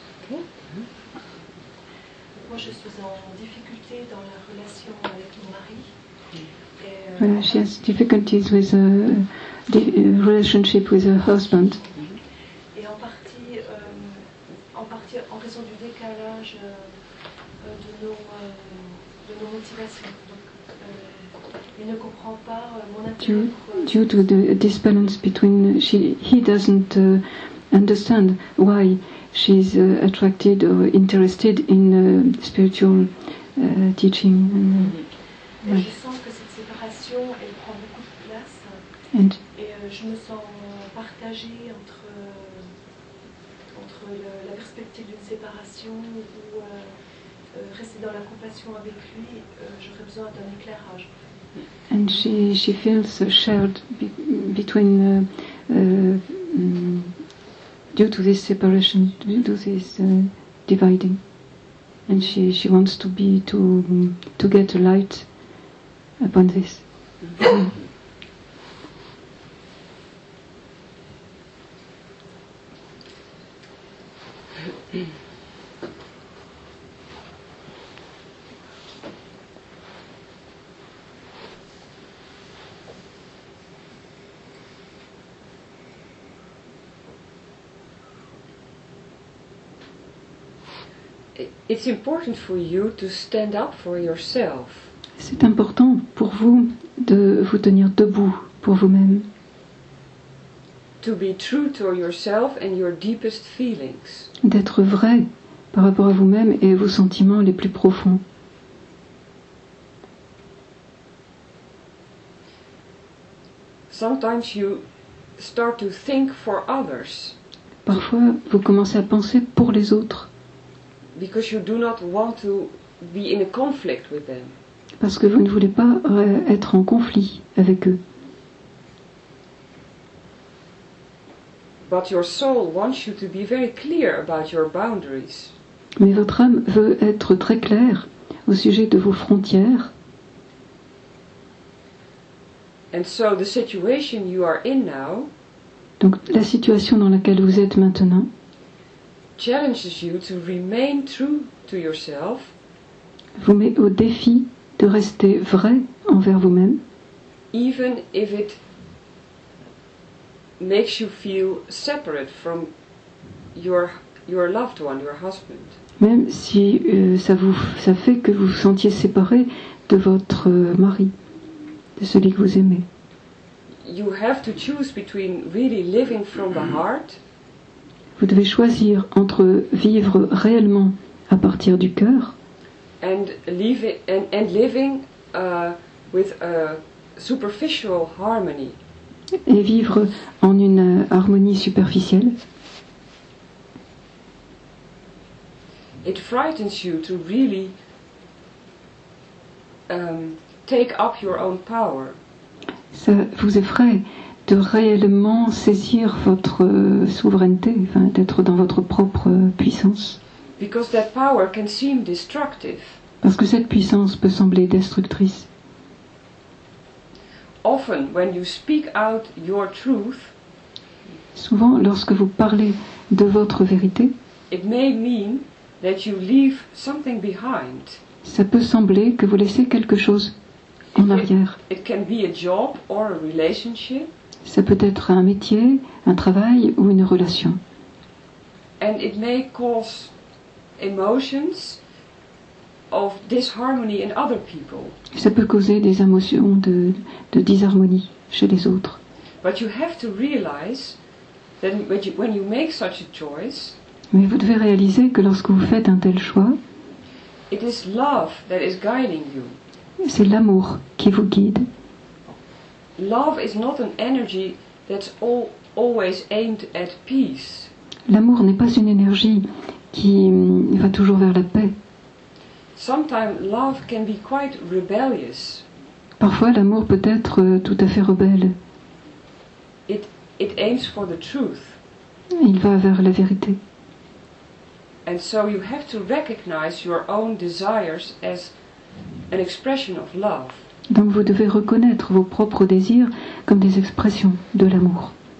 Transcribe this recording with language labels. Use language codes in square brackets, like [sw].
[fr] Moi, je suis en difficulté dans la relation avec mon mari. [en] She has difficulties with the relationship with her husband. [fr] Et en partie en raison du décalage de nos motivations. Donc, il ne comprend pas mon intérêt. [en] Due to the disbalance between he doesn't understand why she's attracted or interested in spiritual teaching. [fr] Et je sens que cette séparation, elle prend beaucoup de place. Et je me sens partagée entre la perspective d'une séparation ou rester dans la compassion avec lui. J'aurais besoin d'un éclairage. [en] And she feels shared between due to this separation, due to this dividing, and she wants to be to get a light upon this. It's important for you to stand up for yourself. [fr] C'est important pour vous de vous tenir debout pour vous-même. [en] To be true to yourself and your deepest feelings. [fr] D'être vrai par rapport à vous-même et vos sentiments les plus profonds. [en] Sometimes you start to think for others. [fr] Parfois, vous commencez à penser pour les autres. [en] Because you do not want to be in a conflict with them. [fr] Parce que vous ne voulez pas être en conflit avec eux. [en] But your soul wants you to be very clear about your boundaries. [fr] Mais votre âme veut être très claire au sujet de vos frontières. [en] And so the situation you are in now. [fr] Donc la situation dans laquelle vous êtes maintenant. [en] Challenges you to remain true to yourself. [fr] Vous met au défi de rester vrai envers vous-même. [en] Even if it makes you feel separate from your loved one, your husband. [fr] Même si ça fait que vous vous sentiez séparé de votre mari, de celui que vous aimez. [en] You have to choose between really living from the heart. [fr] Vous devez choisir entre vivre réellement à partir du cœur [en] and living with a superficial harmony. [fr] Et vivre en une harmonie superficielle. [en] It frightens you to really take up your own power. [fr] Ça vous effraie de réellement saisir votre souveraineté, enfin, d'être dans votre propre puissance. [en] Because that power can seem destructive. [fr] Parce que cette puissance peut sembler destructrice. [en] Often, when you speak out your truth, [fr] souvent, lorsque vous parlez de votre vérité, [en] it may mean that you leave something behind. [fr] Ça peut sembler que vous laissez quelque chose en arrière. [en] It can be a job or a relationship. [fr] Ça peut être un métier, un travail ou une relation. [en] And it may cause emotions of disharmony in other people. [fr] Ça peut causer des émotions de disharmonie chez les autres. [en] But you have to realize that when you make such a choice, [fr] mais vous devez réaliser que lorsque vous faites un tel choix, [en] it is love that is guiding you. [fr] C'est l'amour qui vous guide. [en] Love is not an energy that's always aimed at peace. [fr] L'amour n'est pas une énergie qui va toujours vers la paix. [en] Sometimes love can be quite rebellious. [fr] Parfois l'amour peut être tout à fait rebelle. [en] It aims for the truth. [fr] Il va vers la vérité. [en] And so you have to recognize your own desires as an expression of love. [fr] Donc vous devez reconnaître vos propres désirs comme des expressions de l'amour.